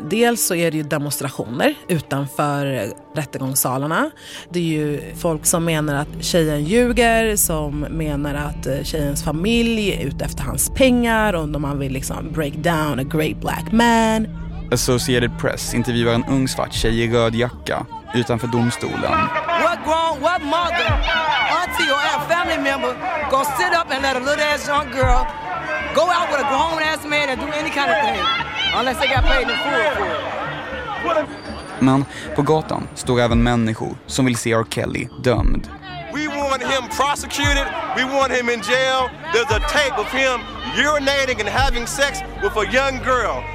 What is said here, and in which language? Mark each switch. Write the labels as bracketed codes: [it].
[sv] Dels så är det ju demonstrationer utanför rättegångssalarna. Det är ju folk som menar att tjejen ljuger, som menar att tjejens familj är ute efter hans pengar och om man vill liksom [en] break down a great black man. [sv] Associated Press intervjuar en ung svart tjej i röd jacka utanför domstolen. [en] What grown, what mother, auntie or a family member go sit up and let a little ass young girl go out with a grown ass man and do any kind of thing unless they got paid in full for it. [sv] Men på gatan står även människor som vill se R. Kelly dömd. [en] We want him prosecuted. We want him in jail. There's a tape of him urinating and having sex with a young girl.